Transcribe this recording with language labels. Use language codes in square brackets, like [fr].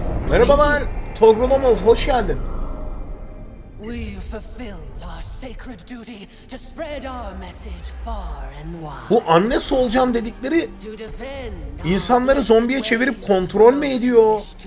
[tr] Merhabalar, Togrulomov, hoş geldin. [en] We fulfilled our sacred duty to spread our message far and wide. [tr] Bu anne solucan dedikleri insanları zombiye çevirip kontrol mü ediyor?